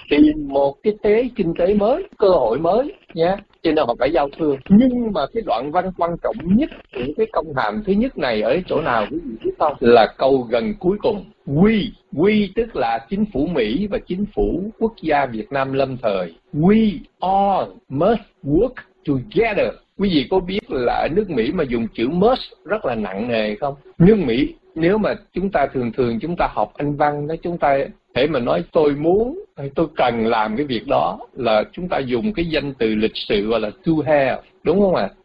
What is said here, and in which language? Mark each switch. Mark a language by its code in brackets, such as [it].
[vi] Tìm một cái thế kinh tế mới, cơ hội mới nha. Cho nên họ phải giao thương. Nhưng mà cái đoạn văn quan trọng nhất của cái công hàm thứ nhất này ở chỗ nào quý vị biết không? Là câu gần cuối cùng. We tức là chính phủ Mỹ và chính phủ quốc gia Việt Nam lâm thời. [en] We all must work together. [vi] Quý vị có biết là ở nước Mỹ mà dùng chữ must rất là nặng nề không? Nước Mỹ, nếu mà chúng ta thường thường chúng ta học Anh văn đó, chúng ta thể mà nói tôi muốn hay tôi cần làm cái việc đó là chúng ta dùng cái danh từ lịch sự gọi là to have, đúng không ạ? À?